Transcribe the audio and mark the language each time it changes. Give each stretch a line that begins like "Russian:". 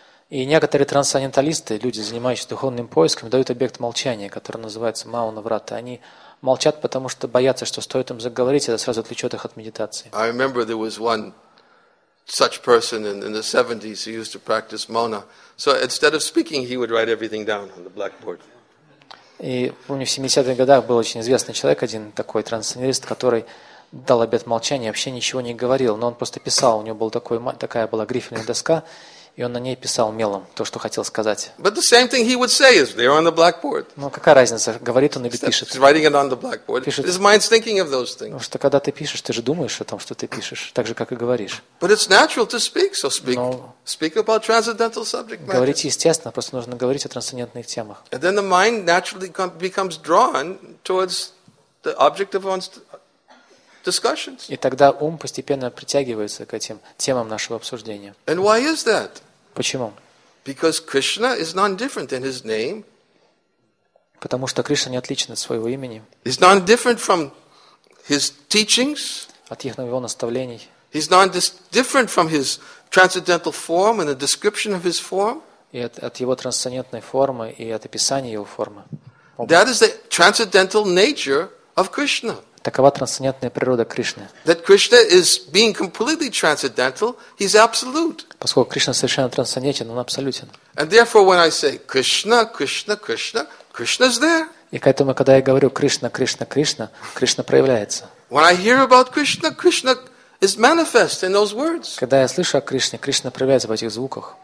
Russian: И некоторые трансценденталисты, люди, занимающиеся духовным поиском, дают объект молчания, который называется мауна-врата. Они молчат, потому что боятся, что стоит им заговорить, это сразу отвлечет их от медитации.
English: I remember there was one such person in the 70s who used to practice mauna. So instead of speaking, he would write everything down on the blackboard.
Russian: И помню, в 70-х годах был очень известный человек, один такой трансценденталист, который дал обет молчания, вообще ничего не говорил, но он просто писал, у него была такая была грифельная доска, и он на ней писал мелом то, что хотел сказать.
English: But the same thing he would say is there on the blackboard.
Russian: Ну какая разница, говорит он или пишет?
English: He's writing it on the blackboard.
Russian: Пишет.
English: His mind's thinking of those things.
Russian: Потому что когда ты пишешь, ты же думаешь о том, что ты пишешь, так же, как и говоришь.
English: But it's natural to speak, so speak about transcendental subject matter.
Russian: Говорить естественно, просто нужно говорить о трансцендентных темах.
English: And then the mind naturally becomes drawn towards the object of one's discussions.
Russian: И тогда ум постепенно притягивается к этим темам нашего обсуждения.
English: And why is that?
Russian: Почему?
English: Because Krishna is non-different in his name.
Russian: Потому что Кришна не отличен от своего имени.
English: He's non-different from his teachings.
Russian: От его наставлений.
English: He's non-different from his transcendental form and the description of his form.
Russian: И от его трансцендентной формы и от описания его формы.
English: That is the transcendental nature of Krishna.
Russian: Такова трансцендентная природа Кришны.
English: That Krishna is being completely transcendental, he's absolute.
Russian: Поскольку Кришна совершенно трансцендентен, он абсолютен.
English: And therefore, when I say Krishna, Krishna, Krishna, Krishna's there.
Russian: И поэтому, когда я говорю Кришна, Кришна, Кришна, Кришна проявляется.
English: When I hear about Krishna, Krishna is manifest in those words.
Russian: Когда я слышу о Кришне, Кришна проявляется в этих звуках.